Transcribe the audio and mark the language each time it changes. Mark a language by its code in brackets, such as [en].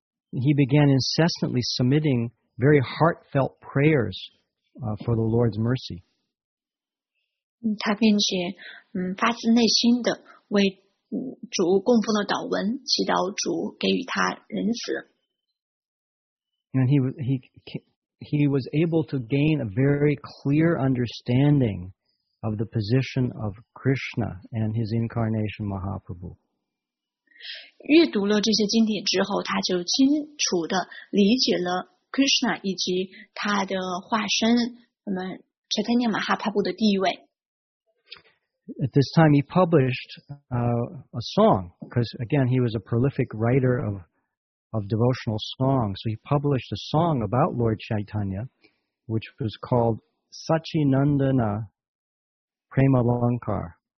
[en] He began incessantly submitting very heartfelt prayers for the Lord's mercy. [zh] 他并且发自内心的为主供奉了祷文，祈祷主给予他仁慈。 [en] And he was able to gain a very clear understanding. Of the position of Krishna and his incarnation Mahaprabhu. [zh] 阅读了这些经典之后，他就清楚地理解了 Krishna 以及他的化身，我们 Chaitanya Mahaprabhu 的地位。 [en] At this time, he published a song because, again, he was a prolific writer of of devotional songs. So he published a song about Lord Chaitanya, which was called Sachinandana Premalankar.